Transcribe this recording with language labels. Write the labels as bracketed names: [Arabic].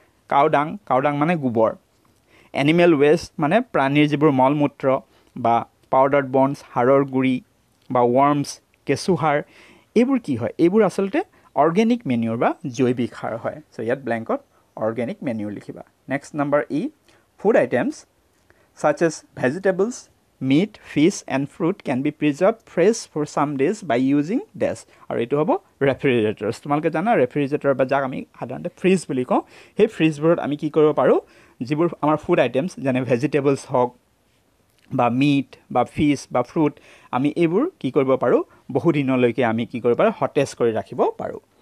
[Assamese] কাওডাং, কাওডাং মানে গোবৰ, animal west মানে প্ৰাণীৰ যিবোৰ মলমূত্ৰ বা পাউডাৰ বনছ, হাড়ৰ গুড়ি বা ৱৰ্মছ, কেঁচুসাৰ, এইবোৰ কি হয়, এইবোৰ আচলতে অৰ্গেনিক মেনিউৰ বা জৈৱিক সাৰ হয়। চ' ইয়াত ব্লেংকত অৰ্গেনিক মেনিউৰ লিখিবা। [English] Next number ই, food items such as vegetables, meat, fish and fruit can be preserved fresh for some days by using this. [Assamese] আৰু এইটো হ'ব refrigerators। তোমালোকে জানা refrigerator বা যাক আমি সাধাৰণতে ফ্ৰিজ বুলি কওঁ, সেই ফ্ৰিজবোৰত আমি কি কৰিব পাৰোঁ, যিবোৰ আমাৰ ফুড আইটেমছ যেনে ভেজিটেবলছ হওক বা মিট বা ফিছ বা ফ্ৰুট, আমি এইবোৰ কি কৰিব পাৰোঁ, বহুদিনলৈকে আমি কি কৰিব পাৰোঁ, সতেজ কৰি ৰাখিব পাৰোঁ।